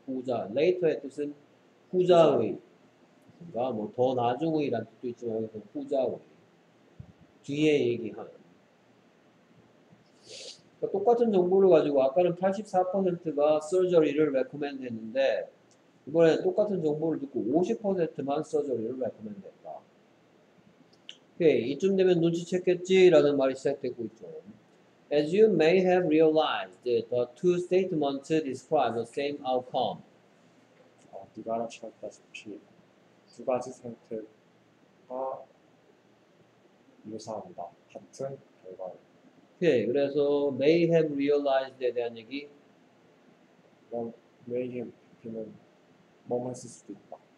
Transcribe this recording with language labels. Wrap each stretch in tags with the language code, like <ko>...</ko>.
<ko>후자. later의 뜻은 후자의 그러니까 뭐더 나중이란 뜻도 있지만 후자고 뒤에 얘기하는 그러니까 똑같은 정보를 가지고 아까는 84%가 서저리를 recommend 했는데 이번에 똑같은 정보를 듣고 50%만 서저리를 recommend 했다. 오케이 이쯤 되면 눈치챘겠지라는 말이 시작되고 있죠.</ko> <en>As you may have realized, the two statements describe the same outcome.</en> <ko>네가 알아차렸다시피 두 가지 상태가 유사합니다. 같은 결과를. 오케이, 그래서 may have realized에 대한 얘기. 난 may have는 뭐만 했을 수도 있다.</ko>